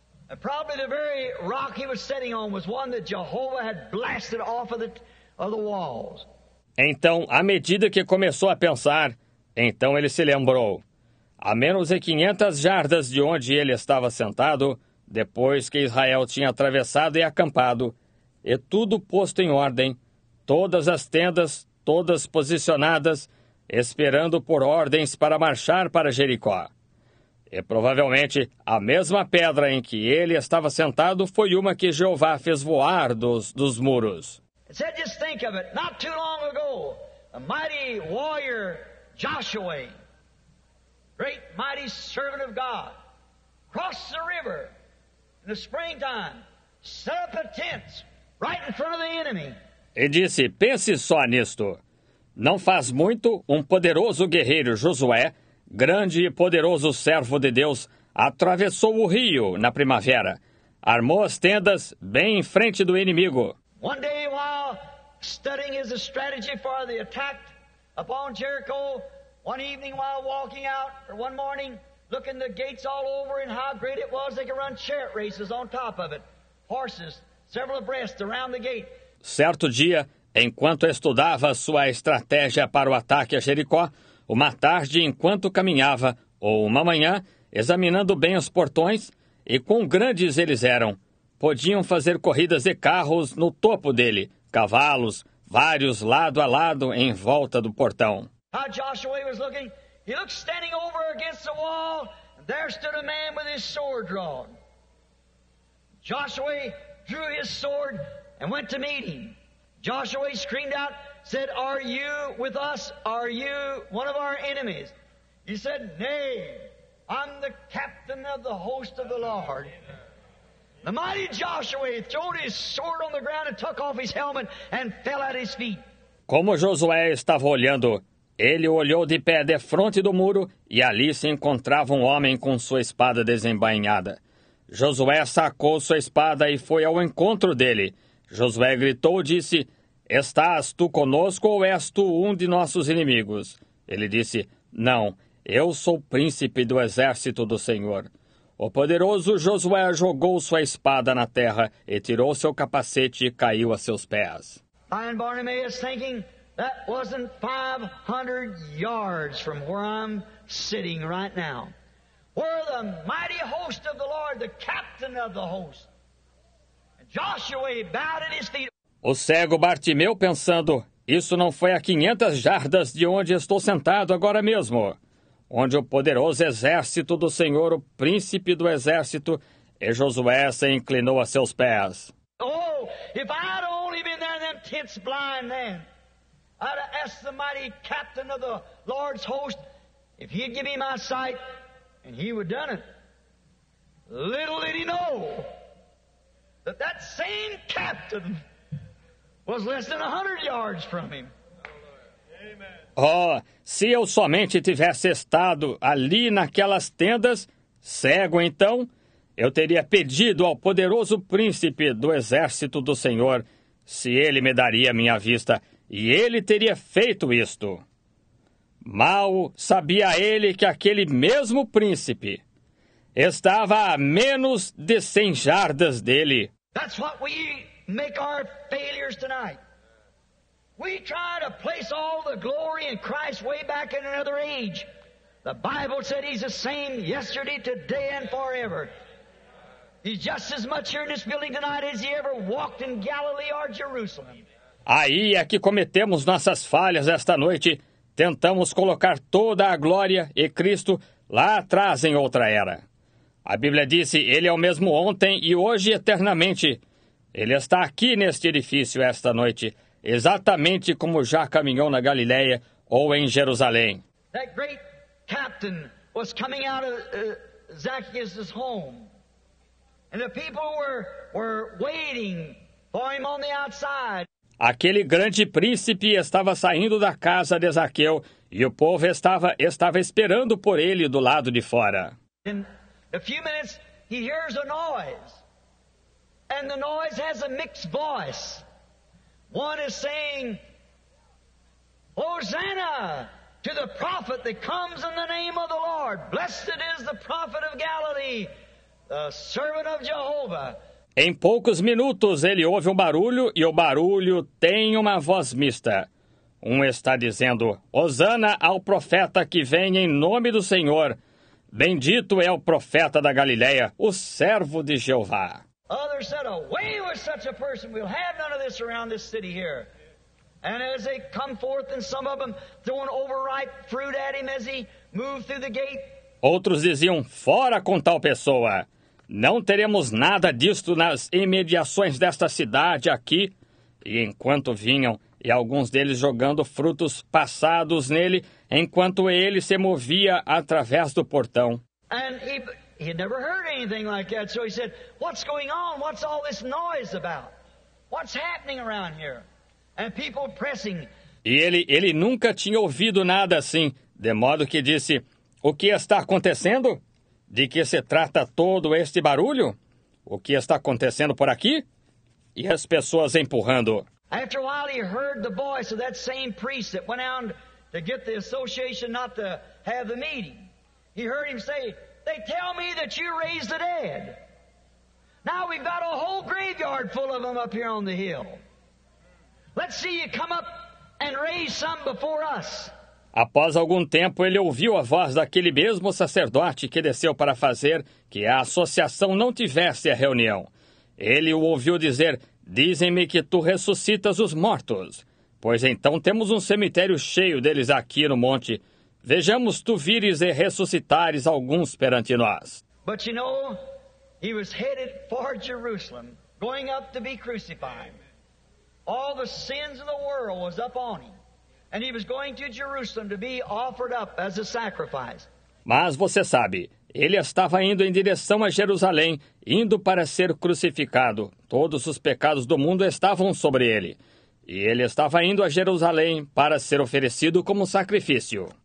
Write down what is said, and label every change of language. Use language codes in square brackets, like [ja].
[en] And probably the very rock he was sitting on was one that Jehovah had blasted off of the walls. [pt] Então, à medida que começou a pensar, então ele se lembrou. A menos de 500 jardas de onde ele estava sentado, depois que Israel tinha atravessado e acampado, e tudo posto em ordem, todas as tendas, todas posicionadas, esperando por ordens para marchar para Jericó. E provavelmente a mesma pedra em que ele estava sentado foi uma que Jeová fez voar dos muros. [en] Said, just think of it. Not too long ago, a mighty warrior, Joshua, great mighty servant of God, crossed the river in the springtime, set up a tent right in front of the enemy. [pt] E disse, pense só nisto. Não faz muito, um poderoso guerreiro, Josué, grande e poderoso servo de Deus, atravessou o rio na primavera, armou as tendas bem em frente do inimigo. [en] One day while studying his strategy for the attack upon Jericho, one evening while walking out, or one morning, looking the gates all over and how great it was, they could run chariot races on top of it, horses, several abreast around the gate. [pt] Certo dia, enquanto estudava sua estratégia para o ataque a Jericó, uma tarde, enquanto caminhava, ou uma manhã, examinando bem os portões, e quão grandes eles eram, podiam fazer corridas de carros no topo dele, cavalos, vários lado a lado em volta do portão. [en] How Joshua was looking, he looked standing over against the wall, and there stood a man with his sword drawn. Joshua drew his sword and went to meet him. Joshua screamed out, said, are you with us? Are you one of our enemies? He said, nay, I'm the captain of the host of the Lord. The mighty Joshua threw his sword on the ground and took off his helmet and fell at his feet. [pt] Como Josué estava olhando, ele olhou de pé defronte do muro e ali se encontrava um homem com sua espada desembainhada. Josué sacou sua espada e foi ao encontro dele. Josué gritou e disse: "Estás tu conosco ou és tu um de nossos inimigos?" Ele disse: "Não, eu sou príncipe do exército do Senhor." O poderoso Josué jogou sua espada na terra e tirou seu capacete e caiu a seus pés. [en] And Bartimaeus thinking, that wasn't 500 yards from where I'm sitting right now. Where the mighty host of the Lord, the captain of the host. And Joshua bowed at his feet. [pt] O cego Bartimeu pensando, isso não foi a 500 jardas de onde estou sentado agora mesmo. Onde o poderoso exército do Senhor, o príncipe do exército, e Josué se inclinou a seus pés. [en] Oh, if I'd only been there in them tents blind then, I'd have asked the mighty captain of the Lord's host if he'd give me my sight, and he would have done it. Little did he know that that same captain was less than 100 yards from him. [pt] Oh, se eu somente tivesse estado ali naquelas tendas, cego então, eu teria pedido ao poderoso príncipe do exército do Senhor se ele me daria minha vista, e ele teria feito isto. Mal sabia ele que aquele mesmo príncipe estava a menos de 100 jardas dele. [en] That's what we make our failures tonight. We try to place all the glory in Christ way back in another age. The Bible said he's the same yesterday, today, and forever. He's just as much here in this building tonight as he ever walked in Galilee or Jerusalem. [pt] Aí é que cometemos nossas falhas esta noite. Tentamos colocar toda a glória e Cristo lá atrás em outra era. A Bíblia disse, ele é o mesmo ontem e hoje eternamente. Ele está aqui neste edifício esta noite, exatamente como já caminhou na Galiléia ou em Jerusalém. [en] That great captain was coming out of Zacchaeus' home. And the people were waiting for him on the outside. [pt] Aquele grande príncipe estava saindo da casa de Zaqueu e o povo estava esperando por ele do lado de fora. [en] In a few minutes, he hears a noise. And the noise has a mixed voice. One is saying, Hosanna to the prophet that comes in the name of the Lord. Blessed is the prophet of Galilee, the servant of Jehovah. [pt] Em poucos minutos ele ouve um barulho e o barulho tem uma voz mista. Um está dizendo, Hosanna ao profeta que vem em nome do Senhor. Bendito é o profeta da Galileia, o servo de Jeová. [en] Others said, away with such a person, we'll have none of this around this city here. And as they come forth, and some of them throwing overripe fruit at him as he moved through the gate. [pt] Outros diziam, fora com tal pessoa. Não teremos nada disto nas imediações desta cidade aqui. E enquanto vinham, e alguns deles jogando frutos passados nele, enquanto ele se movia através do portão. [en] And he had never heard anything like that, so he said, what's going on? What's all this noise about? What's happening around here? And people pressing. [pt] E ele nunca tinha ouvido nada assim, de modo que disse, o que está acontecendo? De que se trata todo este barulho? O que está acontecendo por aqui? E as pessoas empurrando. [en] After a while, he heard the voice of that same priest that went out to get the association not to have the meeting. He heard him say, they tell me that you raised the dead. Now we've got a whole graveyard full of them up here on the hill. Let's see you come up and raise some before us. [pt] Após algum tempo, ele ouviu a voz daquele mesmo sacerdote que desceu para fazer que a associação não tivesse a reunião. Ele o ouviu dizer, dizem-me que tu ressuscitas os mortos, pois então temos um cemitério cheio deles aqui no monte. Vejamos tu vires e ressuscitares alguns perante nós. [en] But you know, he was headed for Jerusalem, going up to be crucified. All the sins of the world was up on him. And he was going to Jerusalem to be offered up as a sacrifice. [pt] Mas você sabe, Ele estava indo em direção a Jerusalém, indo para ser crucificado. Todos os pecados do mundo estavam sobre ele. E ele estava indo a Jerusalém para ser oferecido como sacrifício.